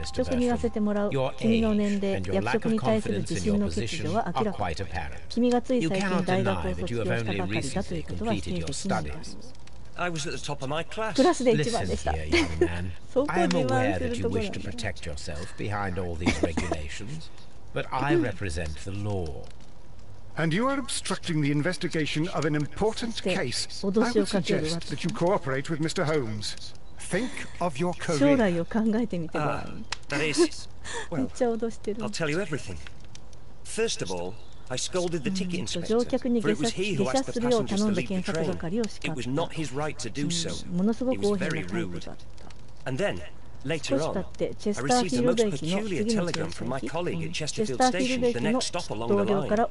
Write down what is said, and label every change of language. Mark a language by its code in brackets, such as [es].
[ja] 率直に言わせてもらう。君の年齢、役職に対する自信の欠如は明らかです。君がつい最近大学を卒業したばかりだということは否定できない。 [en] I was at the top of my class. Listen here, young man. I am aware that you wish to protect yourself behind all these regulations, but I represent the law. And you are obstructing the investigation of an important case. I would suggest that you cooperate with Mr. Holmes. Think of your career. [ja] 将来を考えてみてください。 [en] That is, well, I'll tell you everything. First of all, I scolded the ticket inspector, for it was he who asked the passengers to leave the train. It was not his right to do so. He was very rude. And then, later on, I received a most peculiar telegram from my colleague at Chesterfield Station, the next stop along the line.